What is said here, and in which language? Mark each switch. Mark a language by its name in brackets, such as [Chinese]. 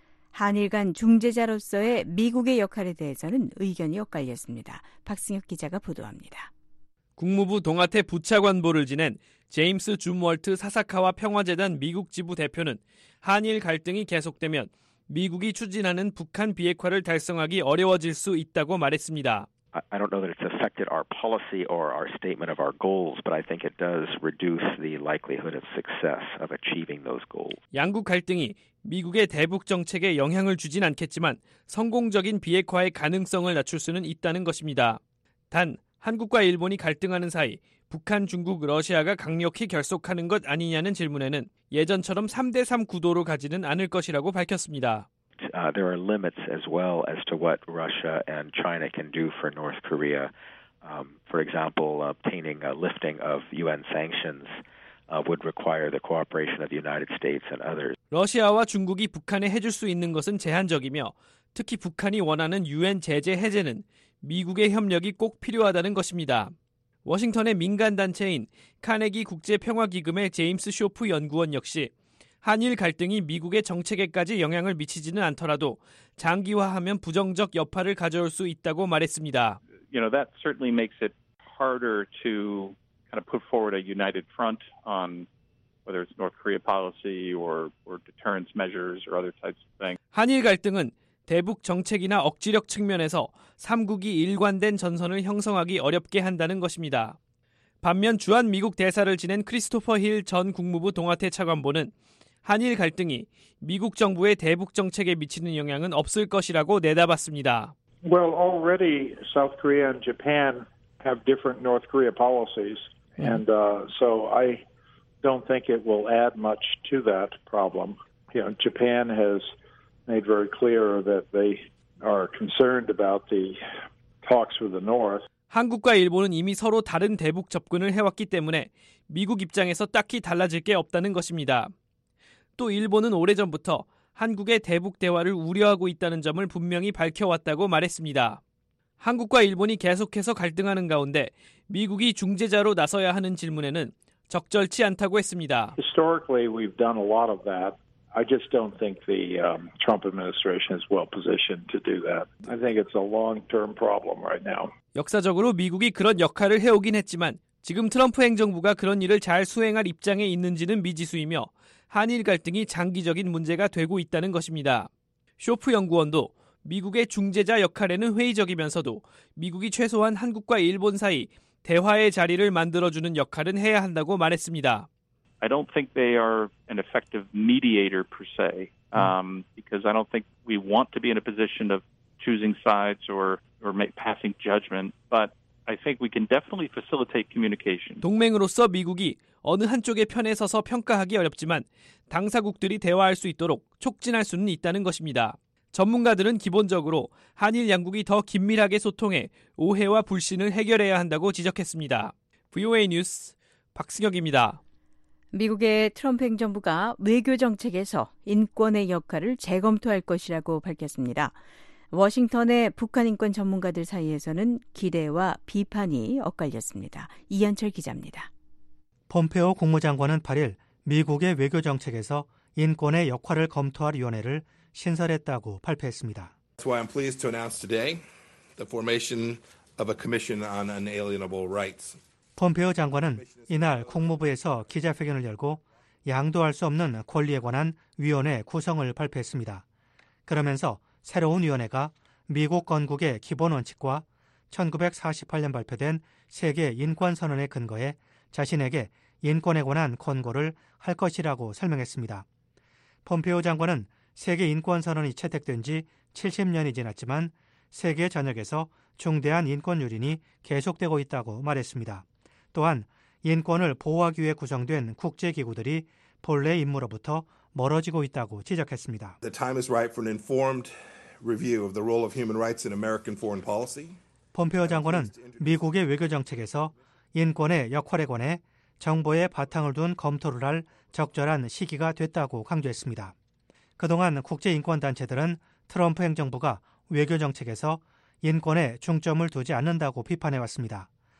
[Korean] 한일 간 중재자로서의 미국의 역할에 대해서는 의견이 엇갈렸습니다. 박승혁 기자가 보도합니다. 국무부 동아태 부차관보를 지낸 제임스 줌월트 사사카와 평화재단 미국 지부 대표는 한일 갈등이 계속되면 미국이 추진하는 북한 비핵화를 달성하기 어려워질 수 있다고 말했습니다. [English] I don't know that it's affected our policy or our statement of our goals, but I think it does reduce the likelihood of success of achieving those goals. [Korean] 양국 갈등이 미국의 대북 정책에 영향을 주진 않겠지만 성공적인 비핵화의 가능성을 낮출 수는 있다는 것입니다. 단, 한국과 일본이 갈등하는 사이 북한, 중국, 러시아가 강력히 결속하는 것 아니냐는 질문에는 예전처럼 3대 3 구도로 가지는 않을 것이라고 밝혔습니다. [English] There are limits as well as to what Russia and China can do for North Korea. For example, obtaining a lifting of UN sanctions would require the cooperation of the United States and others. [Korean] 러시아와 중국이 북한에 해줄 수 있는 것은 제한적이며 특히 북한이 원하는 UN 제재 해제는 미국의 협력이 꼭 필요하다는 것입니다. 워싱턴의 민간단체인 카네기 국제평화기금의 제임스 쇼프 연구원 역시 한일 갈등이 미국의 정책에까지 영향을 미치지는 않더라도 장기화하면 부정적 여파를 가져올 수 있다고 말했습니다. [English] You know, that certainly makes it harder to kind of put forward a united front on whether it's North Korea policy or deterrence measures or other types of things. [Korean] 한일 갈등은 대북 정책이나 억지력 측면에서 3국이 일관된 전선을 형성하기 어렵게 한다는 것입니다. 반면 주한 미국 대사를 지낸 크리스토퍼 힐 전 국무부 동아태 차관보는 한일 갈등이 미국 정부의 대북 정책에 미치는 영향은 없을 것이라고 내다봤습니다. [English] Well, already South Korea and Japan have different North Korea policies. And so I don't think it will add much to that problem. You know, Japan has made very clear that they are concerned about the talks with the North. [Korean] 한국과 일본은 이미 서로 다른 대북 접근을 해왔기 때문에 미국 입장에서 딱히 달라질 게 없다는 것입니다. 또 일본은 오래전부터 한국의 대북 대화를 우려하고 있다는 점을 분명히 밝혀왔다고 말했습니다. 한국과 일본이 계속해서 갈등하는 가운데 미국이 중재자로 나서야 하는 질문에는 적절치 않다고 했습니다. [English] Historically, we've done a lot of that. I just don't think the Trump administration is well positioned to do that. I think it's a long-term problem right now. [Korean] 역사적으로 미국이 그런 역할을 해오긴 했지만 지금 트럼프 행정부가 그런 일을 잘 수행할 입장에 있는지는 미지수이며 한일 갈등이 장기적인 문제가 되고 있다는 것입니다. 쇼프 연구원도 미국의 중재자 역할에는 회의적이면서도 미국이 최소한 한국과 일본 사이 대화의 자리를 만들어주는 역할은 해야 한다고 말했습니다. [English] I don't think they are an effective mediator per se, because I don't think we want to be in a position of choosing sides or make passing judgment. But I think we can definitely facilitate communication. [Korean] 동맹으로서 미국이 어느 한쪽의 편에 서서 평가하기 어렵지만 당사국들이 대화할 수 있도록 촉진할 수는 있다는 것입니다. 전문가들은 기본적으로 한일 양국이 더 긴밀하게 소통해 오해와 불신을 해결해야 한다고 지적했습니다. VOA 뉴스 박승혁입니다. 미국의 트럼프 행정부가 외교 정책에서 인권의 역할을 재검토할 것이라고 밝혔습니다. 워싱턴의 북한 인권 전문가들 사이에서는 기대와 비판이 엇갈렸습니다. 이현철 기자입니다. 폼페오 국무장관은 8일 미국의 외교 정책에서 인권의 역할을 검토할 위원회를 신설했다고 발표했습니다. [English] That's why I'm pleased to announce today the formation of a commission on unalienable rights. [Korean] 폼페오 장관은 이날 국무부에서 기자회견을 열고 양도할 수 없는 권리에 관한 위원회 구성을 발표했습니다. 그러면서 새로운 위원회가 미국 건국의 기본 원칙과 1948년 발표된 세계 인권선언에 근거해 자신에게 인권에 관한 권고를 할 것이라고 설명했습니다. 폼페오 장관은 세계 인권선언이 채택된 지 70년이 지났지만 세계 전역에서 중대한 인권 유린이 계속되고 있다고 말했습니다. 또한 인권을 보호하기 위해 구성된 국제기구들이 본래 임무로부터 멀어지고 있다고 지적했습니다. [English] The time is right for an informed review of the role of human rights in American foreign policy. [Korean] 폼페오 장관은 미국의 외교 정책에서 인권의 역할에 관해 정보의 바탕을 둔 검토를 할 적절한 시기가 됐다고 강조했습니다. 그동안 국제인권단체들은 트럼프 행정부가 외교 정책에서 인권에 중점을 두지 않는다고 비판해왔습니다.